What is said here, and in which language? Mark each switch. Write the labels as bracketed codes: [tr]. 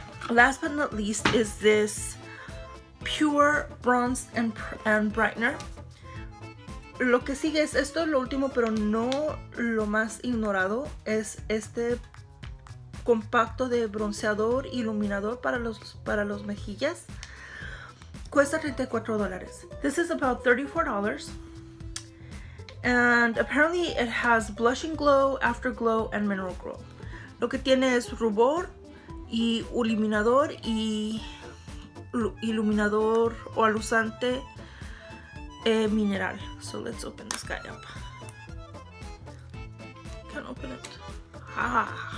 [en] Last but not least is this Pure Bronze and Brightener. [es] Lo que sigue es, esto es lo último, pero no lo más ignorado, es este compacto de bronceador iluminador para los mejillas. Cuesta [en] $34. This is about $34. And apparently it has blushing glow, afterglow, and mineral glow. [es] Lo que tiene es rubor y iluminador y iluminador o aluzante mineral. [en] So let's open this guy up. Can't open it.